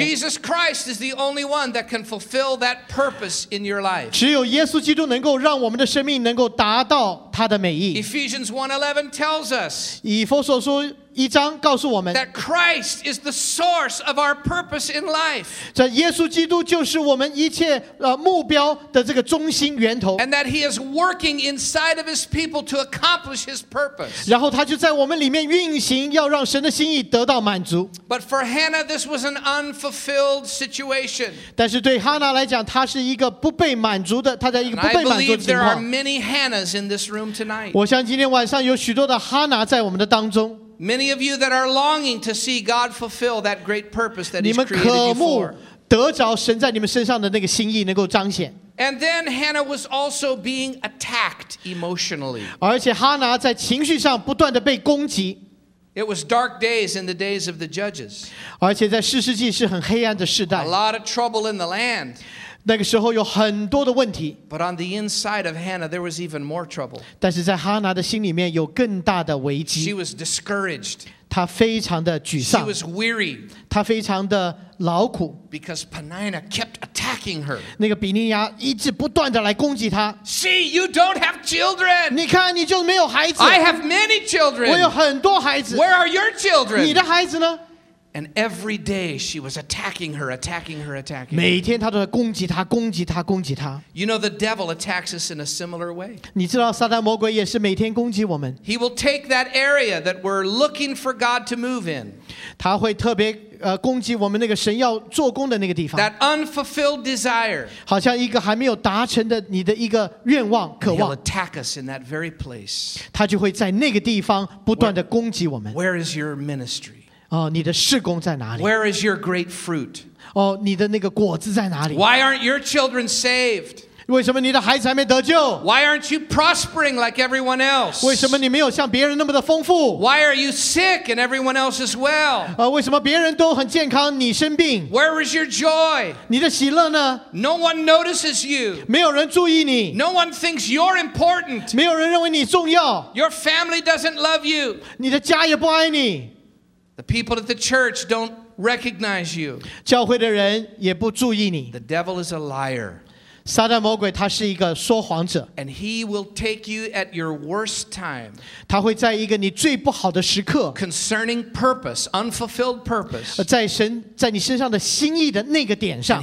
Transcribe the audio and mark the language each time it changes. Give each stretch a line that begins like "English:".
English: Jesus Christ is the only one that can fulfill that purpose in your life.
Chinese: 只有耶稣基督能够让我们的生命能够达到他的美意。
English: Ephesians 1:11 tells us.
Chinese: 以弗所书一章告诉我们。
English: That Christ is the source of our purpose in life.
Chinese: 这耶稣基督就是我们一切目标的这个中心源头。
English: And that he is working inside of his people to accomplish his purpose.
Chinese: 然后他就在我们里面运行，要让神的心意得到满足。
English: But for Hannah, this was an unfulfilled situation.
Chinese: 但是对哈娜来讲，她是一个不被满足的，她在一个不被满足的情况。
English: I believe there are many Hannahs in this room tonight.
Chinese: 我想今天晚上有许多的哈娜在我们的当中。
English: Many of you that are longing to see God fulfill that great purpose that He's created you for.
Chinese: 得着神在你们身上的那个心意能够彰显。
English: And then Hannah was also being attacked emotionally.
Chinese: 而且哈拿在情绪上不断地被攻击。
English: It was dark days in the days of the judges.
Chinese: 而且在士师记是很黑暗的世代。
English: A lot of trouble in the land.
Chinese: 那个时候有很多的问题。
English: But on the inside of Hannah, there was even more trouble.
Chinese: 但是在哈拿的心里面有更大的危机。
English: She was discouraged.
Chinese: 她非常的沮丧。
English: She was weary.
Chinese: 她非常的劳苦。
English: Because Peninnah kept attacking her.
Chinese: 那个比尼亚一直不断的来攻击她。
English: See, you don't have children.
Chinese: 你看你就没有孩子。
English: I have many children.
Chinese: 我有很多孩子。
English: Where are your children?
Chinese: 你的孩子呢？
English: And every day she was attacking her, attacking her, attacking her.
Chinese: 每天她都在攻击她，攻击她，攻击她。
English: You know the devil attacks us in a similar way.
Chinese: 你知道撒旦魔鬼也是每天攻击我们。
English: He will take that area that we're looking for God to move in.
Chinese: 他会特别攻击我们那个神要做工的那个地方。
English: That unfulfilled desire.
Chinese: 好像一个还没有达成的你的一个愿望、渴望。
English: He'll attack us in that very place.
Chinese: 他就会在那个地方不断的攻击我们。
English: Where is your ministry?
Chinese: 你的事工在哪里？
English: Where is your great fruit?
Chinese: 你的那个果子在哪里？
English: Why aren't your children saved?
Chinese: 为什么你的孩子还没得救？
English: Why aren't you prospering like everyone else?
Chinese: 为什么你没有像别人那么的丰富？
English: Why are you sick and everyone else is well?
Chinese: 为什么别人都很健康，你生病？
English: Where is your joy?
Chinese: 你的喜乐呢？
English: No one notices you.
Chinese: 没有人注意你。
English: No one thinks you're important.
Chinese: 没有人认为你重要。
English: Your family doesn't love you.
Chinese: 你的家也不爱你。
English: The people at the church don't recognize you.
Chinese: 教会的人也不注意你。
English: The devil is a liar.
Chinese: 撒旦魔鬼他是一个说谎者。
English: And he will take you at your worst time.
Chinese: 他会在一个你最不好的时刻。
English: Concerning purpose, unfulfilled purpose.
Chinese: 在神在你身上的心意的那个点上。